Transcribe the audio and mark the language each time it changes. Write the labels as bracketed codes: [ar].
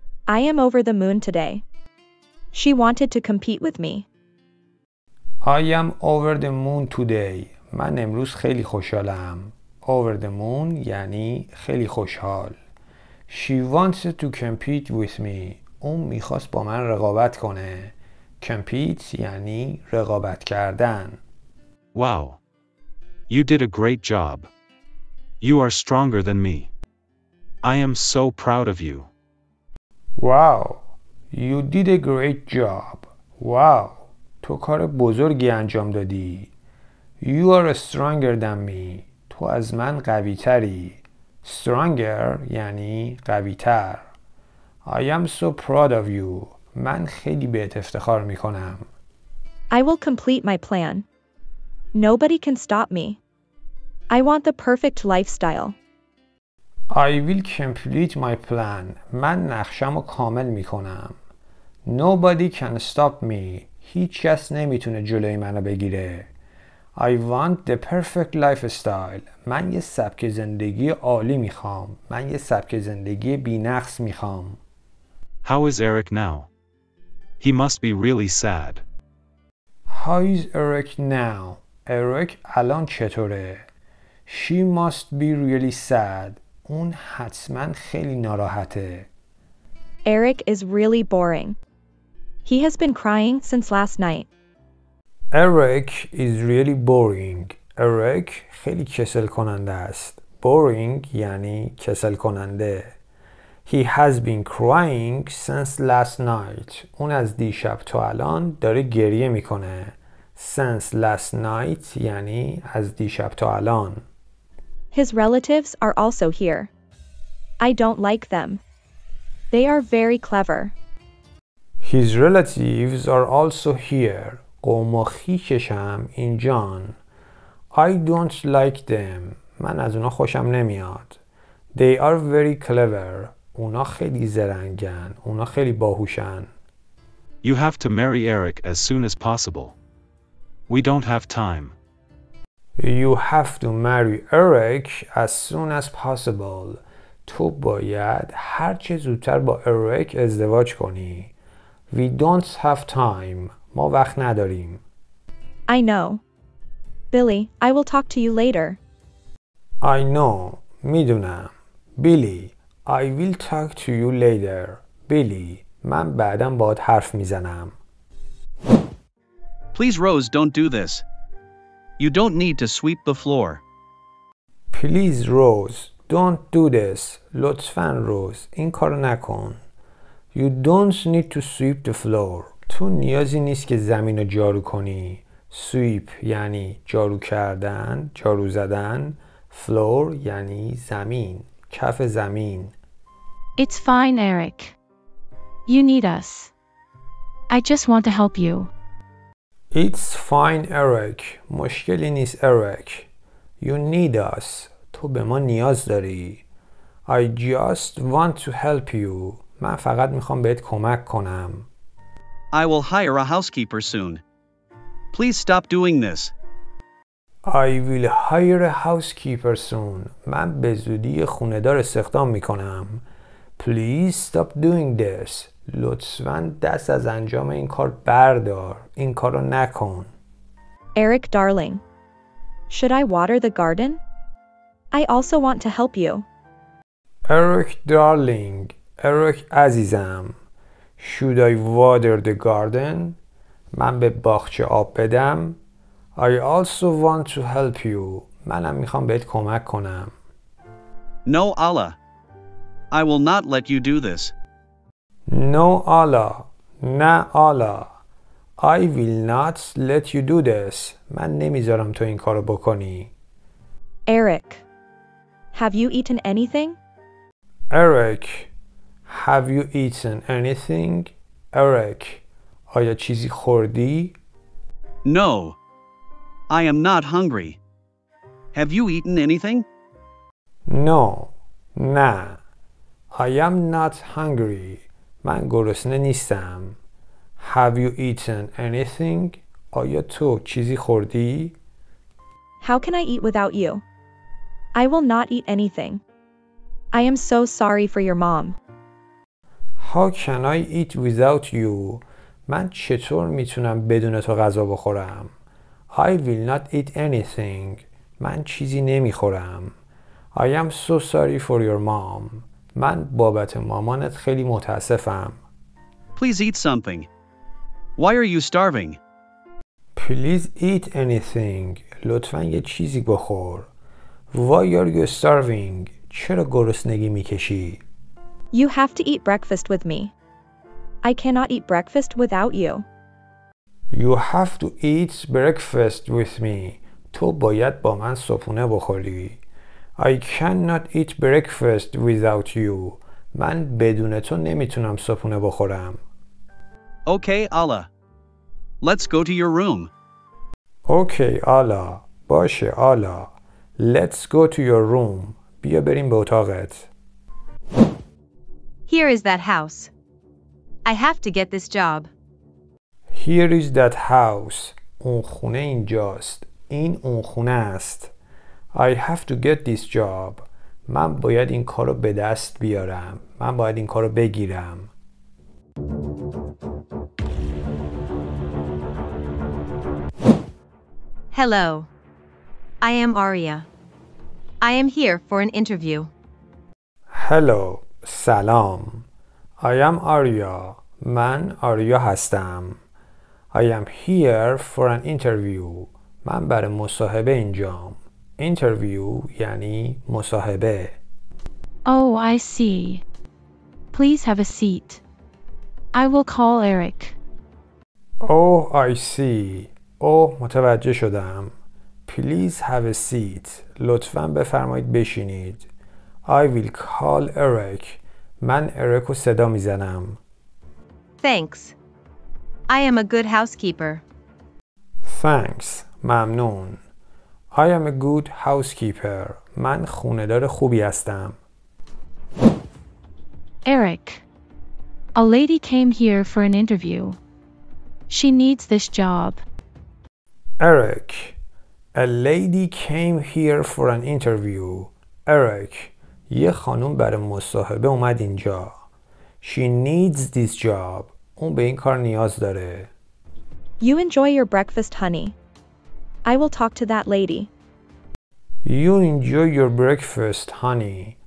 [en] I am over the moon today. She wanted to compete with me. I am over the moon today. [fa] من امروز خیلی خوشحالم. [en] Over the moon [fa] یعنی خیلی خوشحال. [en] She wants to compete with me. [fa] اون میخواست با من رقابت کنه. Compete یعنی رقابت کردن. [en] Wow. You did a great job. You are stronger than me. I am so proud of you. Wow. You did a great job. Wow. [fa] تو کار بزرگی انجام دادی. [en] You are stronger than me. [fa] تو از من قوی تری. Stronger یعنی قوی تر. [en] I am so proud of you. [fa] من خیلی بهت افتخار می کنم. [en] I will complete my plan. Nobody can stop me. I want the perfect lifestyle. I will complete my plan. [fa] من نقشم رو کامل می کنم. [en] Nobody can stop me. [fa] هیچ کس نمی تونه جلوی منو بگیره. [en] I want the perfect lifestyle. [fa] من یه سبک زندگی عالی می خوام. من یه سبک زندگی بی نقص می خوام. [en] How is Eric now? He must be really sad. How is Eric now? [fa] Eric الان چطوره؟ [en] She must be really sad. [fa] اون حتما خیلی ناراحته. [en] Eric is really boring. He has been crying since last night. Eric is really boring. [fa] Eric خیلی کسل کننده است. Boring یعنی کسل کننده. [en] He has been crying since last night. [fa] اون از دیشب تا الان داره گریه میکنه. [en] Since last night [fa] یعنی از دیشب تا الان. [en] His relatives are also here. I don't like them. They are very clever. His relatives are also here. [fa] قوم و خویشش هم اینجان. [en] I don't like them. [fa] من از اونا خوشم نمیاد. [en] They are very clever. [fa] اونا خیلی زرنگن. اونا خیلی باهوشن. [en] You have to marry Eric as soon as possible. We don't have time. You have to marry Eric as soon as possible. [fa] تو باید هر چه زودتر با Eric ازدواج کنی. [en] We don't have time. [fa] ما وقت نداریم. [en] I know. Billy, I will talk to you later. I know. [fa] میدونم. [en] Billy, I will talk to you later. [fa] Billy, من بعدم باهات حرف میزنم. [en] Please, Rose, don't do this. You don't need to sweep the floor. Please, Rose, don't do this. [fa] لطفاً روز این کارو نکن. [en] You don't need to sweep the floor. [fa] تو نیازی نیست که زمین رو جارو کنی. Sweep یعنی جارو کردن، جارو زدن. Floor یعنی زمین، کف زمین. [en] It's fine, Eric. You need us. I just want to help you. It's fine, Eric. [fa] مشکلی نیست, Eric. [en] You need us. [fa] تو به ما نیاز داری. [en] I just want to help you. [fa] من فقط میخوام بهت کمک کنم. [en] I will hire a housekeeper soon. Please stop doing this. I will hire a housekeeper soon. [fa] من به زودی خونه دار استخدام میکنم. [en] Please stop doing this. [fa] لطفاً دست از انجام این کار بردار. این کار رو نکن. [en] Eric, darling. Should I water the garden? I also want to help you. Eric, darling. Eric, [fa] عزیزم. [en] Should I water the garden? [fa] من به باغچه آب بدم. [en] I also want to help you. [fa] منم میخوام بهت کمک کنم. [en] No, Allah. I will not let you do this. No, Allah. [fa] نه, [en] Allah. I will not let you do this. [fa] من نمیذارم تو این کارو بکنی. [en] Eric. Have you eaten anything? Eric. Have you eaten anything? [fa] Eric. آیا چیزی خوردی؟ [en] No. I am not hungry. Have you eaten anything? No. [fa] نه. [en] I am not hungry. [fa] من گرسنه نیستم. [en] Have you eaten anything? [fa] آیا تو چیزی خوردی؟ [en] How can I eat without you? I will not eat anything. I am so sorry for your mom. How can I eat without you? [fa] من چطور میتونم بدون تو غذا بخورم؟ [en] I will not eat anything. [fa] من چیزی نمیخورم. [en] I am so sorry for your mom. [fa] من بابت مامانت خیلی متاسفم. [en] Please eat something. Why are you starving? Please eat anything. [fa] لطفاً یه چیزی بخور. [en] Why are you starving? [fa] چرا گرسنگی میکشی؟ [en] You have to eat breakfast with me. I cannot eat breakfast without you. You have to eat breakfast with me. [fa] تو باید با من صبحونه بخوری. [en] I cannot eat breakfast without you. [fa] من بدون تو نمیتونم صبحونه بخورم. [en] Okay, Allah. Let's go to your room. Okay, Allah. [fa] باشه, [en] Allah. Let's go to your room. [fa] بیا بریم به اتاقت. [en] Here is that house. I have to get this job. Here is that house. [fa] اون خونه اینجاست. این اون خونه است. [en] I have to get this job. [fa] من باید این کارو به دست بیارم. من باید این کارو بگیرم. [en] Hello. I am Aria. I am here for an interview. Hello. [fa] سلام. [en] I am Arya. [fa] من آریا هستم. [en] I am here for an interview. [fa] من برای مصاحبه اینجام. Interview یعنی مصاحبه. [en] Oh, I see. Please have a seat. I will call Eric. Oh, I see. [fa] Oh, متوجه شدم. [en] Please have a seat. [fa] لطفاً بفرمایید بشینید. [en] I will call Eric. [fa] من اریک رو صدا میزنم. [en] Thanks. I am a good housekeeper. Thanks. [fa] ممنون. [en] I am a good housekeeper. [fa] من خونه‌دار خوبی هستم. [en] Eric. A lady came here for an interview. She needs this job. Eric. A lady came here for an interview. Eric. [fa] یه خانوم برای مصاحبه اومد اینجا. [en] She needs this job. [fa] اون به این کار نیاز داره. [en] You enjoy your breakfast, honey. I will talk to that lady. You enjoy your breakfast, honey.